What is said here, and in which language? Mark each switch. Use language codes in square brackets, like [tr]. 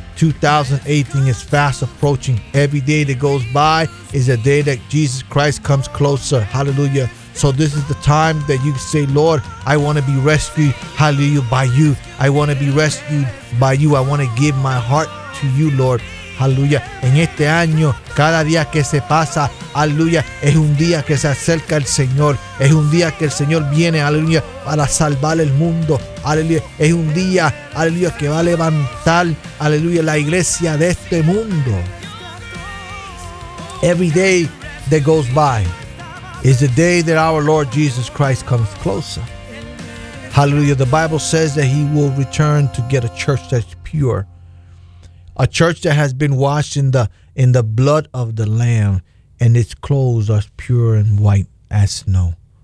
[en] 2018 is fast approaching. Every day that goes by is a day that Jesus Christ comes closer. Hallelujah. So this is the time that you say, Lord, I want to be rescued. Hallelujah. By you. I want to be rescued by you. I want to give my heart to you, Lord. [es] Aleluya, en este año, cada día que se pasa, aleluya, es un día que se acerca el Señor, es un día que el Señor viene, aleluya, para salvar el mundo, aleluya, es un día, aleluya, que va a levantar, aleluya, la iglesia de este mundo. [en] Every day that goes by is the day that our Lord Jesus Christ comes closer. Hallelujah, the Bible says that he will return to get a church that's pure. a church that has been washed in the blood of the Lamb, and its clothes are pure and white as snow.